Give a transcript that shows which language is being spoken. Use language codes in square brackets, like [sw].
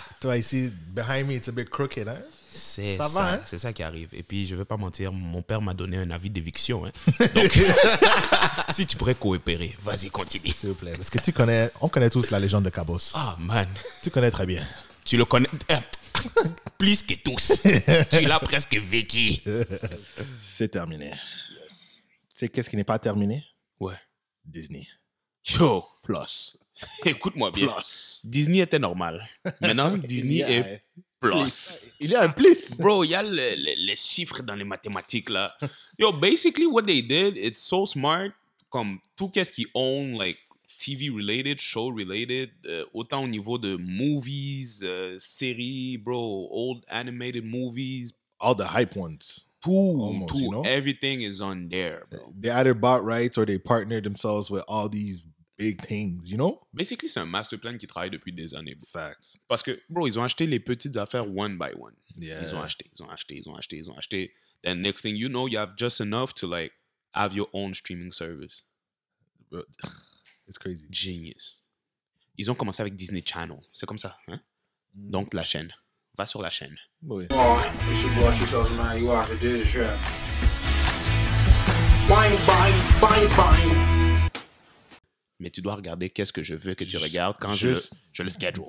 [fr] Toi, ici, [en] behind me, it's a bit crooked, hein? [fr] C'est ça, va, hein? C'est ça qui arrive. Et puis, je ne vais pas mentir, mon père m'a donné un avis d'éviction. Hein? Donc, si tu pourrais coopérer, vas-y, continue. S'il vous plaît. Parce que tu connais, on connaît tous la légende de Cabos. Ah, oh, man. Tu connais très bien. Tu le connais plus que tous. Tu l'as presque vécu. C'est terminé. Yes. Tu sais qu'est-ce qui n'est pas terminé? Ouais. Disney. Yo. Plus. Écoute-moi bien. Plus. Disney était normal. Maintenant, Disney est... Plus. Il y a un plus. Bro, il y a les chiffres dans les mathématiques, là. [en] Yo, basically, what they did, it's so smart, [fr] comme tout qu'est-ce qu'ils [en] own, like, TV-related, show-related, [fr] autant au niveau de [en] movies, séries, bro, old animated movies. All the hype ones. Tout, almost, tout. You know? Everything is on there, bro. They either bought rights or they partnered themselves with all these big things, you know? [fr] Basically, c'est un master plan qui travaille depuis des années. Bro. [en] Facts. [fr] Parce que, bro, ils ont acheté les petites affaires [en] one by one. Yeah. [fr] Ils ont acheté. [en] Then next thing you know, you have just enough to, like, have your own streaming service. Bro, it's crazy. Genius. [fr] Ils ont commencé avec Disney Channel. C'est comme ça, hein? Donc, la chaîne. Va sur la chaîne. Oui. [en] Oh, it's your boy, it's your man. You have to do the show. Bye, bye, bye, bye. [fr] mais tu dois regarder qu'est-ce que je veux que tu regardes quand je le schedule.